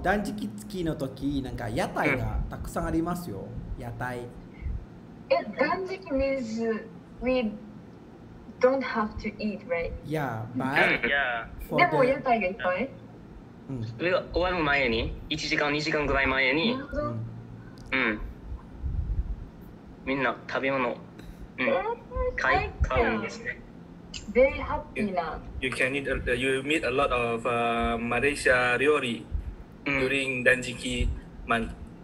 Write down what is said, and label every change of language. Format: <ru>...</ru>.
<ja>断食付きの時なんか屋台がたくさんありますよ。屋台。</ja> <en>断食 means we don't have to eat, right? Yeah, but yeah.</en> <ja>でも屋台がいっぱい。それが終わる前に1時間2時間ぐらい前にみんな食べ物買うんですね。</ja> <en>Very happy な。 You can eat, you meet a lot of Malaysia料理during Danjiki month.</en>